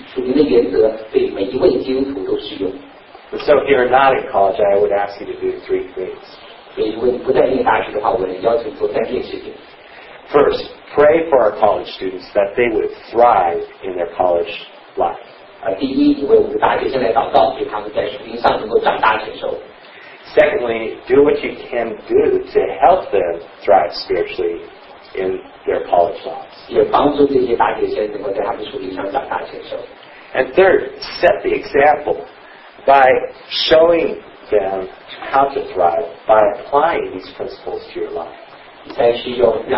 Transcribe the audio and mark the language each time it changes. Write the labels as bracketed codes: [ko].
[zh] 虽然我今天讲到主要的对象是在大学生或是刚进学校的大学生，但我想有许多属灵的原则对每一位基督徒都适用。 [en] And so if you're not in college, I would ask you to do three things. [zh] 所以如果你不在念大学的话，我要求做三件事情。 [en] First, pray for our college students that they would thrive in their college life. [zh] 第一，为我们的大学生来祷告，使他们在属灵上能够长大成熟。 [en] Secondly, do what you can do to help them thrive spiritually in their college lives. [zh] 也帮助这些大学生能够在他们属灵上长大成熟。 [en] And third, set the example by showing them how to thrive by applying these principles to your life.